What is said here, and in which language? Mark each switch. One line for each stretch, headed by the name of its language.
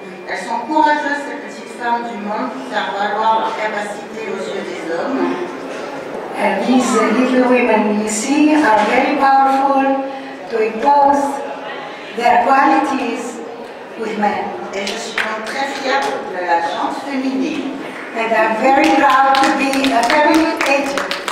French: Elles sont courageuses, ces petites femmes du monde, pour faire valoir leur capacité aux yeux des hommes.
English: These little women, you see, are very powerful to impose their qualities with men.
French: Et je suis donc très fière de la gente féminine.
English: And I'm very proud to be a feminine agent.